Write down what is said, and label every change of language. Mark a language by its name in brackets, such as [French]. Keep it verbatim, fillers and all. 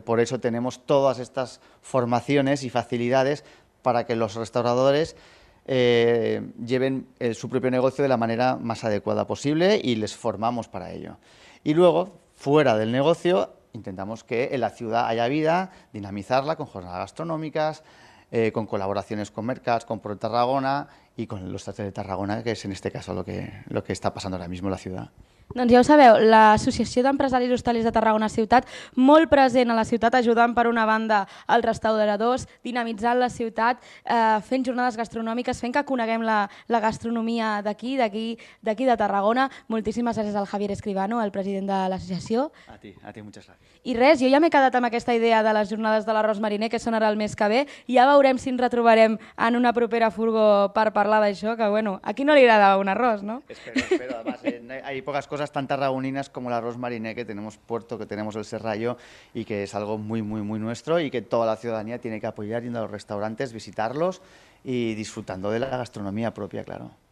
[Spanish] Por eso tenemos todas estas formaciones y facilidades para que los restauradores eh, lleven eh, su propio negocio de la manera más adecuada posible y les formamos para ello. Y luego, fuera del negocio, intentamos que en la ciudad haya vida, dinamizarla con jornadas gastronómicas, eh, con colaboraciones con mercats, con Pro Tarragona y con los tastes de Tarragona, que es en este caso lo que, lo que está pasando ahora mismo en la ciudad. [Catalan] Doncs ja ho sabeu, l'Associació d'Empresaris Hostalers de Tarragona Ciutat, molt present a la ciutat, ajudant per una banda els restauradors, dinamitzant la ciutat, eh, fent jornades gastronòmiques, fent que coneguem la, la gastronomia d'aquí, d'aquí, d'aquí de Tarragona. Moltíssimes gràcies al Javier Escribano, el president de l'associació. [Spanish] A ti, a ti, muchas gracias. [Catalan] I res, jo ja m'he quedat amb aquesta idea de les jornades de l'arròs mariner, que són ara el mes que ve, i ja veurem si ens retrobarem en una propera furgo per parlar d'això, que bueno, a qui no li agrada un arròs, no? [Spanish] Espero, espero, además, eh, hay pocas cosas tan tarragoninas como el arroz mariné, que tenemos puerto, que tenemos el serrallo y que es algo muy, muy, muy nuestro y que toda la ciudadanía tiene que apoyar yendo a los restaurantes, visitarlos y disfrutando de la gastronomía propia, claro.